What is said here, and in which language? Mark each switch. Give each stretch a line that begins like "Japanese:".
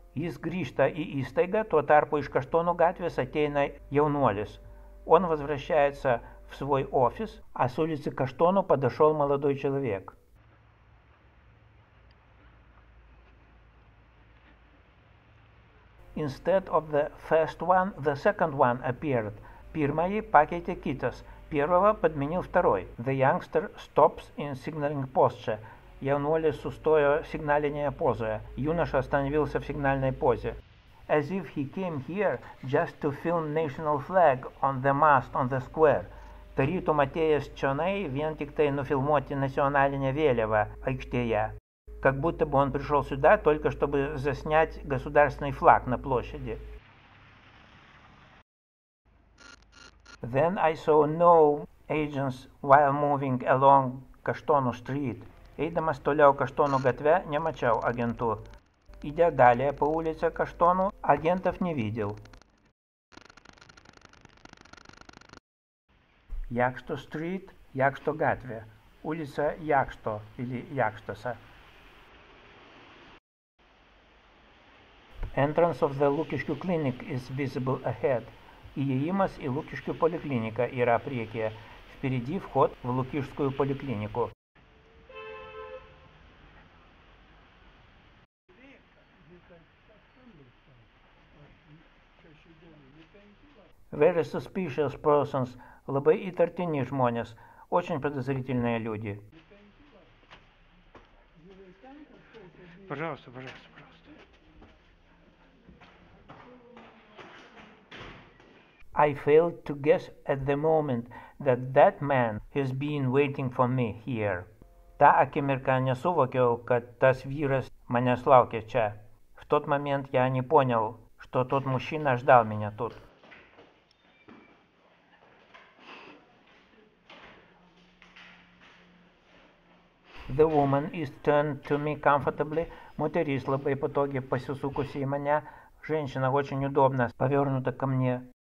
Lithuanian: Jis grįžta į įstaigą, tuo tarpu iš Kaštonų gatvės ateina jaunuolis.
Russian: Он возвращается в свой офис, а с улицы Kaštonų подошел молодой человек.
English: Instead of the first one, the second one appeared.
Lithuanian: Pirmąjį pakeitė kitas.
Russian: Первого подменил второй.
English: The youngster stops in signaling posture.
Lithuanian: Jaunuolis sustojo signalinėje pozoje.
Russian: Юноша остановился в сигнальной позе.
English: As if he came here just to film national flag on the mast on the square.
Lithuanian: Tarytum atėjęs čionai vien tik tai nufilmuoti nacionalinę vėliavą aikštėje.
Russian: Как будто бы он пришел сюда только чтобы заснять государственный флаг на площади.
English: Then I saw no agents while moving along Kaštonų street.
Lithuanian: Eidamas toliau Kaštonų gatve, nemačiau agentų.
Russian: Idę dalyje po ulicę Kaštonų, agentov не видел.
English: Jakšto street,
Lithuanian: Jakšto gatvė.
Russian: Ulica Jakšto или Jakštose.
English: Entrance of the Lukiškių clinic is visible ahead.
Lithuanian: Įėjimas į Lukiškių polikliniką yra priekyje.
Russian: Впереди вход в Лукишскую поликлинику.
English: Very suspicious persons.
Lithuanian: Labai įtartini žmonės.
Russian: Очень подозрительные люди. Пожалуйста, пожалуйста.
English: I failed to guess at the moment that that man has been waiting for me here.
Lithuanian: Ta akimirka nesuvokiau, kad tas vyras manęs laukia čia.
Russian: В тот момент я не понял, что тот мужчина ждал меня тут.
English: The woman is turned to me comfortably.
Lithuanian: Moteris labai patogiai pasisukusi į mane.
Russian: Женщина очень удобно повернута ко мне.